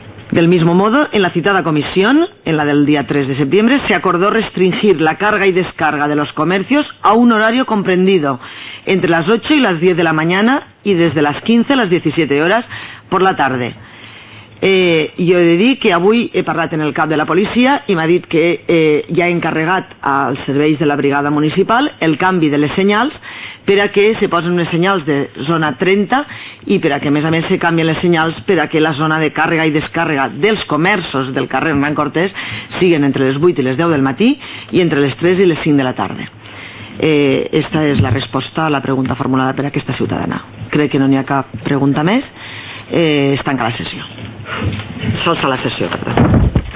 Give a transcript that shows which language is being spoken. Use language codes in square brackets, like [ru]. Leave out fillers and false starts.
[es] Del mismo modo, en la citada comisión, en la del día 3 de septiembre, se acordó restringir la carga y descarga de los comercios a un horario comprendido entre las 8 y las 10 de la mañana y desde las 15 a las 17 horas por la tarde. [ca] Jo he de dir que avui he parlat amb el cap de la policia i m'ha dit que ja he encarregat als serveis de la brigada municipal el canvi de les senyals per a que se posen unes senyals de zona 30 i per a que a més se canvien les senyals per a que la zona de càrrega i descàrrega dels comerços del carrer Hernán Cortés siguin entre les 8 i les 10 del matí i entre les 3 i les 5 de la tarda. Esta és la resposta a la pregunta formulada per a aquesta ciutadana. Crec que no n'hi ha cap pregunta més. Es tanca la sesión. Solta la sesión, perdón.